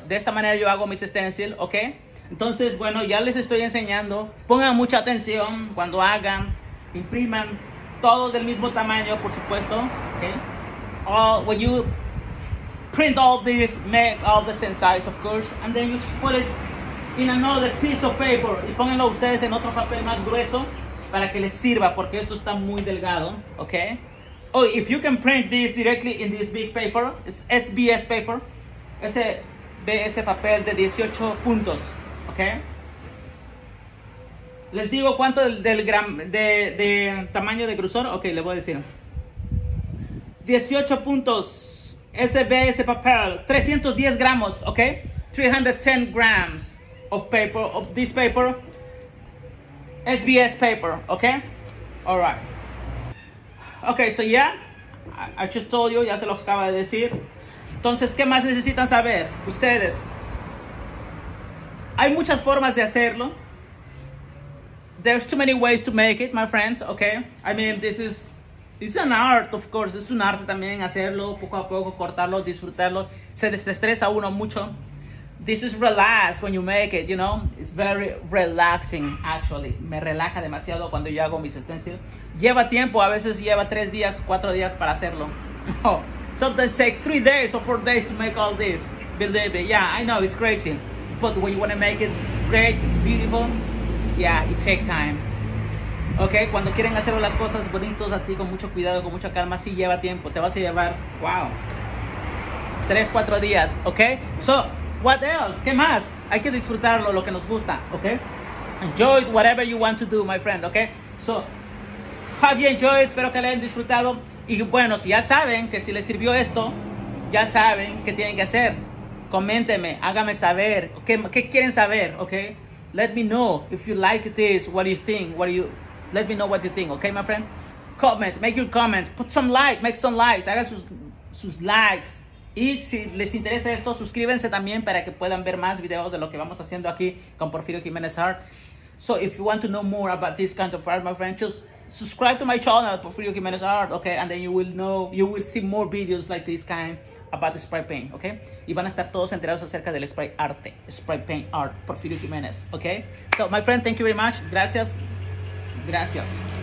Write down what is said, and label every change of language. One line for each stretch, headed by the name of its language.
Spanish: De esta manera yo hago mis stencil, okay? Entonces, bueno, ya les estoy enseñando. Pongan mucha atención cuando hagan. Impriman todo del mismo tamaño, por supuesto. Okay?
English: When you print all this, make all the same size, of course. And then you just put it in another piece of paper.
Spanish: Y pónganlo ustedes en otro papel más grueso para que les sirva, porque esto está muy delgado.
English: Okay? Oh, if you can print this directly in this big paper, it's SBS paper.
Spanish: Ese de ese papel de 18 puntos. Okay. Les digo cuánto del tamaño de grosor. Ok, le voy a decir 18 puntos SBS papel, 310 gramos.
English: Ok, 310 grams of paper, of this paper, SBS paper. Ok, alright. Ok, so yeah, I just told you,
Spanish: ya se lo acaba de decir. Entonces, ¿qué más necesitan saber ustedes? Hay muchas formas de hacerlo.
English: There's too many ways to make it, my friends, okay? I mean, this is an art, of course.
Spanish: Es un arte también hacerlo, poco a poco, cortarlo, disfrutarlo. Se desestresa uno mucho.
English: This is relaxed when you make it, you know? It's very relaxing, actually.
Spanish: Me relaja demasiado cuando yo hago mis stencils. Lleva tiempo, a veces lleva 3 días, 4 días para hacerlo.
English: Sometimes take 3 days or 4 days to make all this. Believe it. Yeah, I know, it's crazy. But when you want to make it great, beautiful, yeah, it takes time.
Spanish: Okay, cuando quieren hacer las cosas bonitos, así con mucho cuidado, con mucha calma, sí lleva tiempo. Te vas a llevar, wow, 3-4 días, okay?
English: So, what else?
Spanish: ¿Qué más? Hay que disfrutarlo, lo que nos gusta, okay?
English: Enjoy whatever you want to do, my friend, okay? So, have you enjoyed?
Spanish: Espero que le hayan disfrutado. Y bueno, si ya saben que si les sirvió esto, ya saben qué tienen que hacer. Coméntenme, hágame saber, ¿qué quieren saber?
English: Okay, let me know if you like this, what you think, let me know what you think, okay, my friend? Comment, make your comment, put some like, make some likes,
Spanish: hagan sus likes. Y si les interesa esto, suscríbanse también para que puedan ver más videos de lo que vamos haciendo aquí con Porfirio Jiménez Art.
English: So if you want to know more about this kind of art, my friend, just subscribe to my channel, Porfirio Jimenez Art, okay? And then you will know, you will see more videos like this kind about the spray paint, okay?
Spanish: Y van a estar todos enterados acerca del spray arte, spray paint art, Porfirio Jimenez, okay?
English: So my friend, thank you very much.
Spanish: Gracias. Gracias.